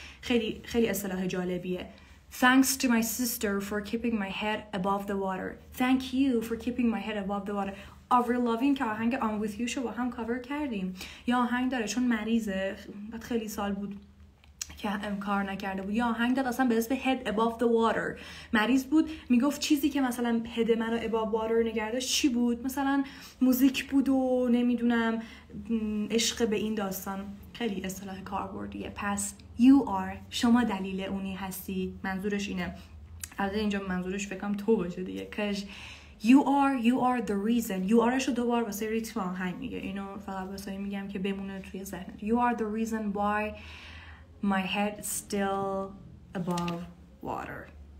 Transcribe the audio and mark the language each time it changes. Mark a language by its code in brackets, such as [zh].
[fa] خیلی خیلی اصطلاح جالبیه. [en] Thanks to my sister for keeping my head above the water. Thank you for keeping my head above the water. [fa] Avril Lavigne که آهنگ [en] I'm with you [fa] شو با هم کاور کردیم. یا آهنگ داره چون مریضه، بعد خیلی سال بود که کار نکرده بود. یا آهنگ داره اصلا به اسم [en] head above the water. [fa] مریض بود، میگفت چیزی که مثلا head منو above water نگرده چی بود؟ مثلا موزیک بود و نمیدونم عشق به این داستان. خیلی اصطلاح کاربردیه. پس you are، شما دلیل اونی هستی، منظورش اینه، از اینجا منظورش فکرم تو باشه دیگه، کش [en] you are the reason. [fa] you are شو دوبار واسه ریتم آهنگ میگه، اینو فقط واسه این میگم که بمونه توی ذهنت. [en] you are the reason why my head still above water.